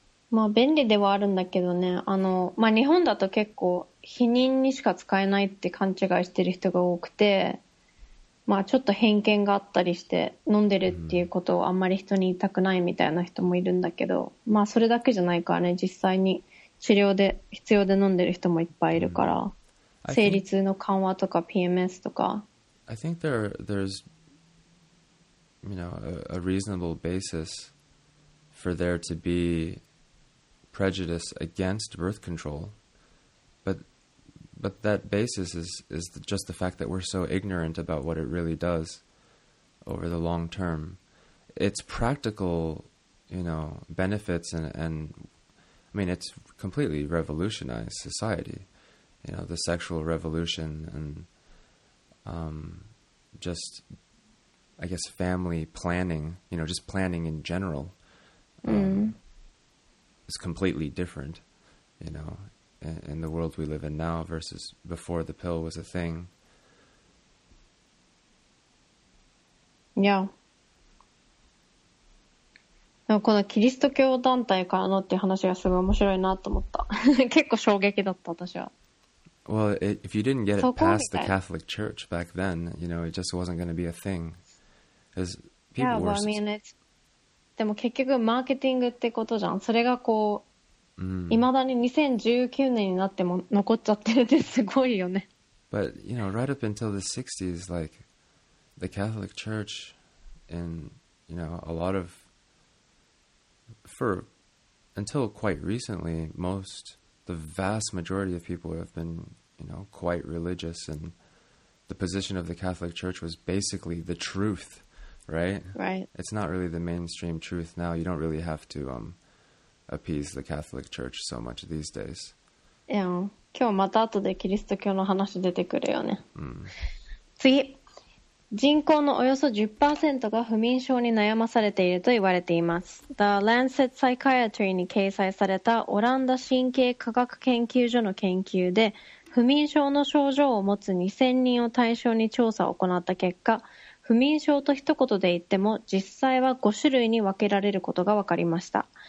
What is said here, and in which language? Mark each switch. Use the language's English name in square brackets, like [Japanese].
[Japanese] まあ便利ではあるんだけどね。あの、まあ日本だと結構避妊にしか使えないって勘違いしてる人が多くて、まあちょっと偏見があったりして飲んでるっていうことをあんまり人に言いたくないみたいな人もいるんだけど、まあそれだけじゃないからね、実際に治療で必要で飲んでる人もいっぱいいるから、生理痛の緩和とか PMS とか。 [English] I think there's you know a reasonable basis for there to be prejudice against birth control, but that basis is just the fact that we're so ignorant about what it really does over the long term. Its practical, you know, benefits and I mean it's completely revolutionized society, you know, the sexual revolution and just I guess family planning, you know, just planning in general is completely different, you know, in the world we live in now versus before the pill was a thing. Yeah. [Japanese] でもこのキリスト教団体からのっていう話がすごい面白いなと思った。結構衝撃だった、私は。 [English] Well, if you didn't get it past the Catholic Church back then, you know, it just wasn't going to be a thing. Yeah, well, I mean, [Japanese] でも結局マーケティングってことじゃん。それがこう、未だに2019年になっても残っちゃってるってすごいよね。 [English] But, you know, right up until the 60s, like, the Catholic Church in, you know, a lot of, for, until quite recently, most, the vast majority of people have been, you know, quite religious, and the position of the Catholic Church was basically the truth, right? Right. It's not really the mainstream truth now. You don't really have to appease the Catholic Church so much these days. Yeah. [Japanese] 今日また後でキリスト教の話出てくるよね。次。人口のおよそ 10% が不眠症に悩まされていると言われています。 The Lancet Psychiatry に掲載されたオランダ神経科学研究所の研究で、不眠症の症状を持つ2000人を対象に調査を行った結果、不眠症と一言で言っても実際は5種類に分けられることが分かりました。